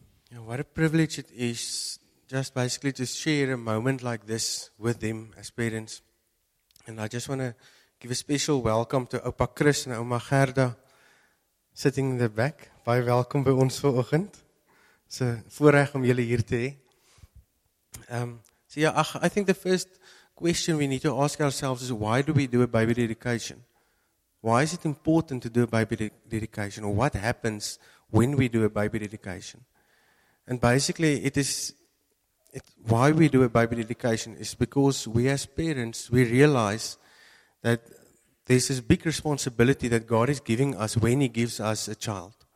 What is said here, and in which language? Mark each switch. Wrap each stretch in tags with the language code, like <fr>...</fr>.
<en>You know, what a privilege it is just basically to share a moment like this with them as parents. And I just want to give a special welcome to Opa Chris and Oma Gerda sitting in the back.</en> <af>Baie welkom by ons vanoggend. So, voorreg om julle hier te hê.</af> <en>I think the first question we need to ask ourselves is why do we do a baby dedication? Why is it important to do a baby dedication? Or what happens when we do a baby dedication? And basically, why we do a baby dedication is because we as parents, we realize that there's this big responsibility that God is giving us when he gives us a child.</en>